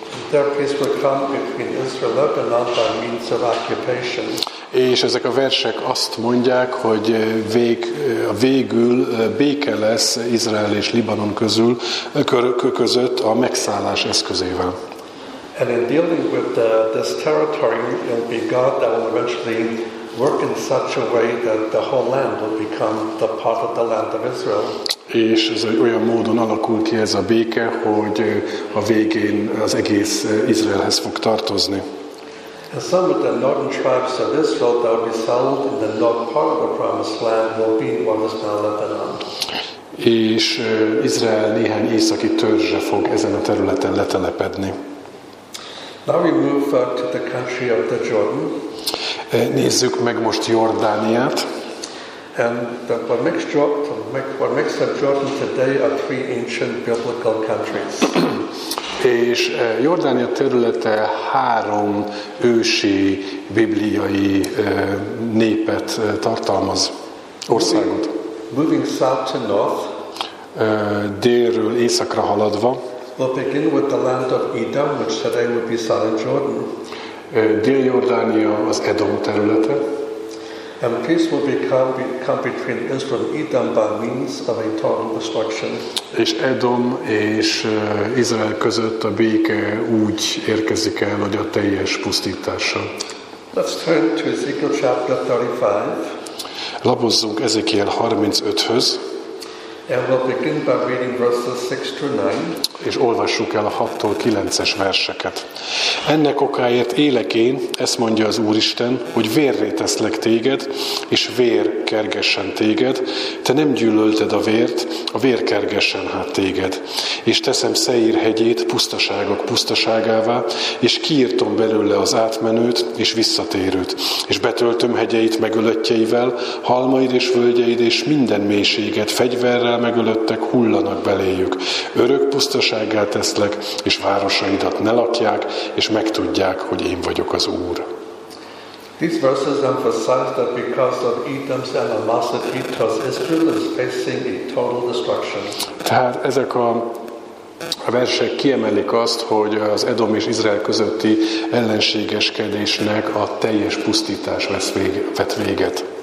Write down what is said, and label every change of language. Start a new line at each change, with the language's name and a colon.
English: Their peace will come between Israel and Lebanon by means of occupation.
Hungarian: És ezek a versek azt mondják, hogy végül béke lesz Izrael és Libanon között a megszállás eszközével.
English: And in dealing with this territory, it will be God that will eventually work in such a way that the whole land will become the part of the land of Israel.
Hungarian: És ez olyan módon alakul ki ez a béke, hogy a végén az egész Izraelhez fog tartozni.
English: And some of the northern tribes of Israel that will be settled in the north part of the Promised Land will be what is now Lebanon.
Hungarian: És Izrael néhány északi törzse fog ezen a területen letelepedni.
English: Now we move to the country of the Jordan.
Hungarian: Nézzük meg most Jordániát.
English: And what makes the Jordan today are three ancient biblical countries.
Hungarian: És Jordánia területe három ősi bibliai népet tartalmaz, országot.
English: Moving south to north,
Hungarian: délről északra haladva,
English: we'll begin with the land of Edom, which today would be southern Jordan.
Hungarian: Dél-Jordánia az Edom területe.
English: And peace will come between Israel and Edom by means of a total destruction.
Hungarian: És Edom és Izrael között a béke úgy érkezik el, hogy a teljes pusztítással.
English: Let's turn to Ezekiel chapter 35.
Hungarian: Labozzunk Ezekiel 35-höz.
English: And we'll begin by reading verses 6-9.
Hungarian: És olvassuk el a 6-9-es verseket. Ennek okáért élek én, ezt mondja az Úristen, hogy vérré teszlek téged, és vér kergessen téged. Te nem gyűlölted a vért, a vér kergessen hát téged. És teszem Szeír hegyét pusztaságok pusztaságává, és kiírtom belőle az átmenőt és visszatérőt. És betöltöm hegyeit megölöttjeivel, halmaid és völgyeid és minden mélységet fegyverrel megölöttek hullanak beléjük. Örök pusztasággá teszlek, és városaidat ne lakják, és megtudják, hogy én vagyok az Úr.
English: These verses emphasize that because of Edom's animosity towards Israel is facing a total destruction.
Hungarian: Tehát ezek a versek kiemelik azt, hogy az Edom és Izrael közötti ellenségeskedésnek a teljes pusztítás vett véget.